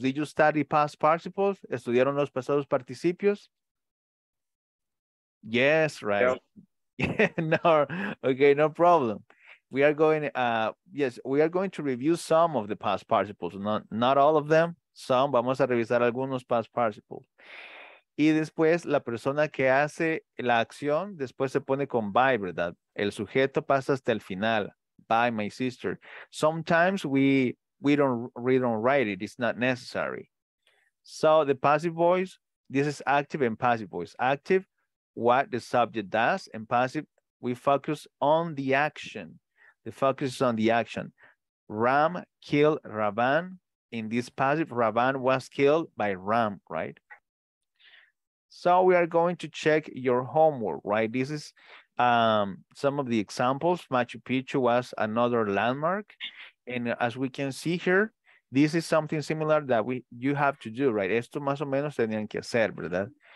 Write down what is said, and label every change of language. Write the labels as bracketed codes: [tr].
[en] Did you study past participles? [es] ¿Estudiaron los pasados participios? [en] Yes, right. Yeah. No, okay, no problem. We are going, we are going to review some of the past participles, not all of them, some. [es] Vamos a revisar algunos past participles. Y después, la persona que hace la acción, después se pone con by, ¿verdad? El sujeto pasa hasta el final, [en] by my sister. Sometimes we don't write it, it's not necessary. So the passive voice, this is active and passive voice. Active, what the subject does, and passive, we focus on the action. The focus is on the action. Ram killed Ravan in this passage, Ravan was killed by Ram, right? So we are going to check your homework, right? This is some of the examples. Machu Picchu was another landmark. And as we can see here, this is something similar that you have to do, right? [es] Esto más o menos tenían que hacer, ¿verdad?